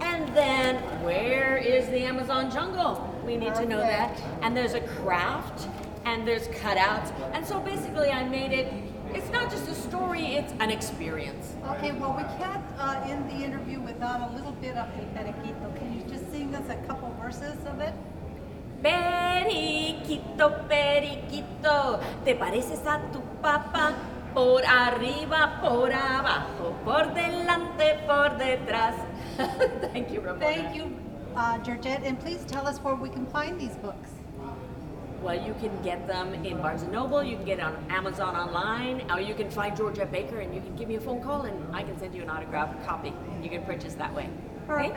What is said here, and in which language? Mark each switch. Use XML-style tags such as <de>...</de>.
<en>And then where is the Amazon jungle? We need to know that. And there's a craft and there's cutouts. And so basically I made it, it's not just a story, it's an experience. Okay, well we can't end the interview without a little bit of El Periquito. Can you just sing us a couple verses of it?</en> <es>Periquito, periquito, te pareces a tu papá, por arriba, por abajo, por delante, por detrás.</es> <en>Thank you, Ramona. Thank you, Georgette, and please tell us where we can find these books. Well, you can get them in Barnes & Noble, you can get it on Amazon online, or you can find Georgette Maker and you can give me a phone call and I can send you an autographed copy. You can purchase that way. Perfect.</en>